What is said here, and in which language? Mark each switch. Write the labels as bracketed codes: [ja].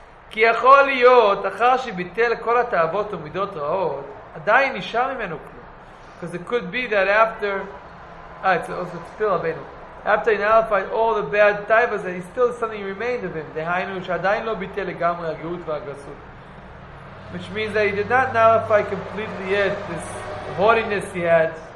[he] כי יכול להיות אחר שביטל כל התאוות ומידות רעות עדיין נשאר ממנו כלום. [en] Because it could be that after it's still Rabbeinu. After he nullified all the bad taivas, that he still something remained of him. [he] דהיינו שעדיין לא ביטל לגמרי הגאות והגסות. [en] Which means that he did not nullify completely yet this haughtiness he had.